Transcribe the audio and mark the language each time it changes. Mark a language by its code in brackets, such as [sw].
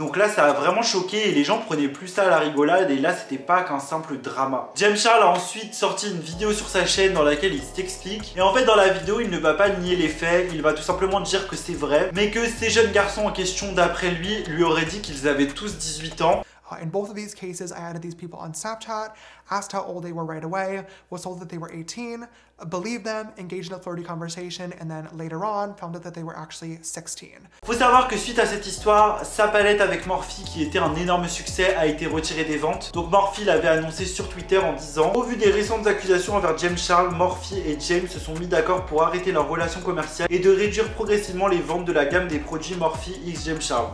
[fr] Donc là, ça a vraiment choqué, et les gens prenaient plus ça à la rigolade, et là, c'était pas qu'un simple drama. James Charles a ensuite sorti une vidéo sur sa chaîne dans laquelle il s'explique, et en fait, dans la vidéo, il ne va pas nier les faits, il va tout simplement dire que c'est vrai, mais que ces jeunes garçons en question, d'après lui, lui auraient dit qu'ils avaient tous 18 ans. [en] In both of these cases, I added these people on Snapchat, asked how old they were right away, was told that they were 18, believed them, engaged in a flirty conversation, and then later on, found out that they were actually 16. [fr] Faut savoir que suite à cette histoire, sa palette avec Morphe, qui était un énorme succès, a été retirée des ventes. Donc Morphe l'avait annoncé sur Twitter en disant « Au vu des récentes accusations envers James Charles, Morphe et James se sont mis d'accord pour arrêter leur relation commerciale et de réduire progressivement les ventes de la gamme des produits Morphe x James Charles.